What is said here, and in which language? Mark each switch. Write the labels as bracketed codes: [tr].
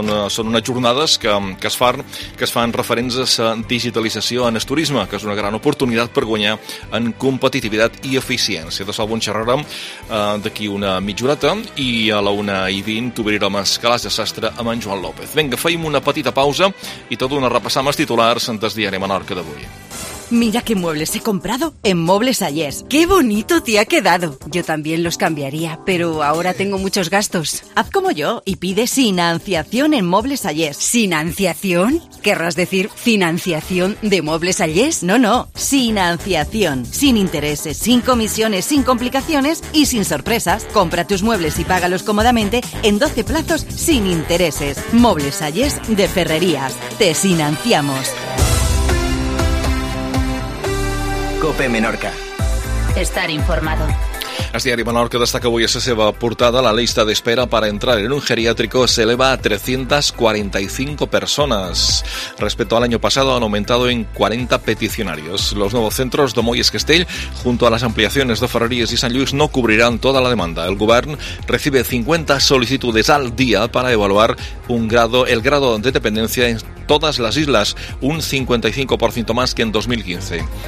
[ca] Són unes jornades que es fan referents a la digitalització en el turisme, que és una gran oportunitat per guanyar en competitivitat i eficiència. De sobte en xerrarem d'aquí una mitja horeta i a la 1:20 obrirem el calaix de sastre amb en Joan López. Vinga, feim una petita pausa i tot una repassada amb els titulars del diari Menorca d'avui. [es] Mira qué muebles he comprado en Muebles Ayer. ¡Qué bonito te ha quedado! Yo también los cambiaría, pero ahora tengo muchos gastos. Haz como yo y pide financiación en Muebles Ayer. ¿Sinanciación? ¿Querrás decir financiación de Muebles Ayer? No, no. Sinanciación. Sin intereses, sin comisiones, sin complicaciones y sin sorpresas. Compra tus muebles y págalos cómodamente en 12 plazos sin intereses. Muebles Ayer de Ferrerías. Te sinanciamos. COPE Menorca. Estar informado. [ca] El diari Menorca destaca avui a la seva portada la lista d'espera per entrar en un geriàtrico [es] se eleva [ca] a 345 persones. [es] Respecto al año pasado han aumentado en 40 peticionarios. Los nuevos centros de Moyes Castell junto a las ampliaciones de Ferreries y San Lluís no cubrirán toda la demanda. El govern recibe 50 solicitudes al día para evaluar el grado de dependencia en todas las islas, un 55% más que en 2015.